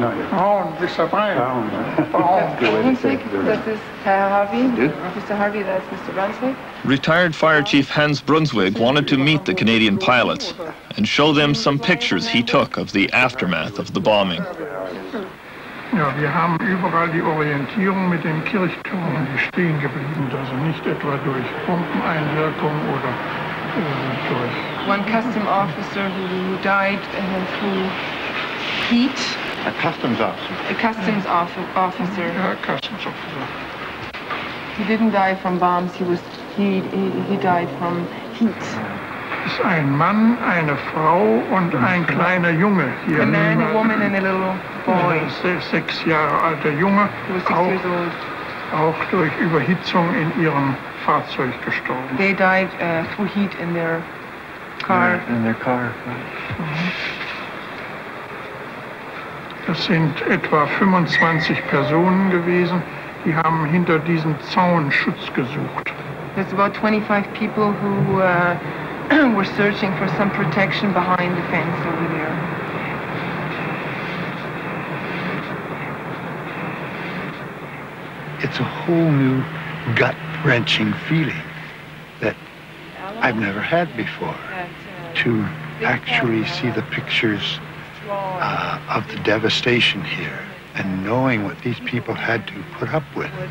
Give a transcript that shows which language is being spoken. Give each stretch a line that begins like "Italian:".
English: Braun, Mr. Braun. Herr Brunswick, this is Herr Harvey. Duke. Mr. Harvey, that's Mr. Brunswick. Retired Fire Chief Hans Brunswick wanted to meet the Canadian pilots and show them some pictures he took of the aftermath of the bombing.
German: Ja, wir haben überall die Orientierung mit dem Kirchturm stehen geblieben, also nicht etwa durch Bombeneinwirkung oder durch.
English: One custom officer who died and then through heat. A customs officer. A customs officer. A customs officer. He didn't die from bombs. He died from heat.
German: ist ein Mann, eine Frau und ein kleiner Junge hier.
English: A man, a woman and a little boy.
German: Sechs Jahre alter Junge, auch durch Überhitzung in ihrem Fahrzeug gestorben.
English: They died through heat in their car. In their car.
German: Das sind etwa 25 Personen gewesen, die haben hinter diesen Zaun Schutz gesucht.
English: There's about 25 people who were searching for some protection behind the fence over there. It's a whole new gut-wrenching feeling that I've never had before, to actually see the pictures of the devastation here and knowing what these people had to put up with.